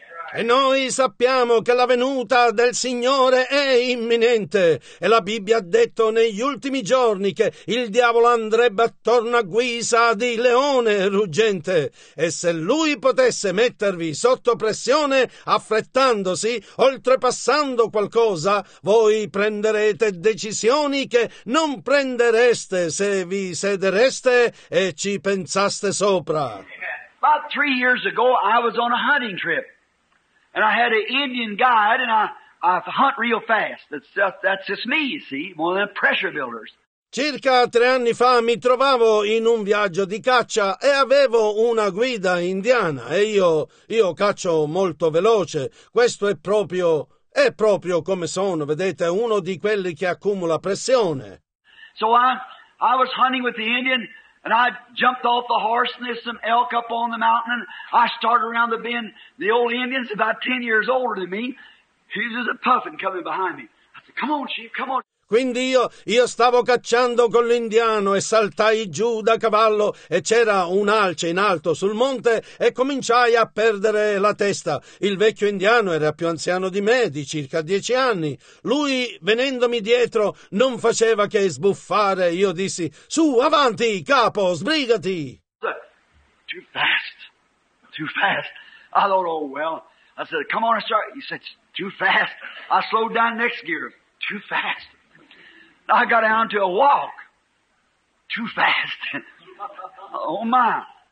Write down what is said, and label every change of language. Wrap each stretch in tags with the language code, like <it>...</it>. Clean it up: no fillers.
<it>E noi sappiamo che la venuta del Signore è imminente e la Bibbia ha detto negli ultimi giorni che il diavolo andrebbe attorno a guisa di leone ruggente e se lui potesse mettervi sotto pressione affrettandosi, oltrepassando qualcosa, voi prenderete decisioni che non prendereste se vi sedereste e ci pensaste sopra.</it> <en>About 3 years ago I was on a hunting trip. And I had an Indian guide, and I hunt real fast. That's just me, you see, more than pressure builders.</en> <it>Circa 3 anni fa mi trovavo in un viaggio di caccia e avevo una guida indiana. E io caccio molto veloce. Questo è proprio come sono. Vedete, uno di quelli che accumula pressione.</it> <en>So I was hunting with the Indian, and I jumped off the horse, and there's some elk up on the mountain, and I started around the bend. The old Indian's about 10 years older than me. He's just a puffin coming behind me. I said, come on, chief, come on.</en> <it>Quindi io stavo cacciando con l'indiano e saltai giù da cavallo e c'era un alce in alto sul monte e cominciai a perdere la testa. Il vecchio indiano era più anziano di me, di circa 10 anni. Lui, venendomi dietro, non faceva che sbuffare. Io dissi, su, avanti, capo, sbrigati!</it> <en>Too fast, too fast. I thought, oh, well, I said, come on, sir. He said, too fast. I slowed down next gear, too fast. I got down to a walk. Too fast. Oh my.</en>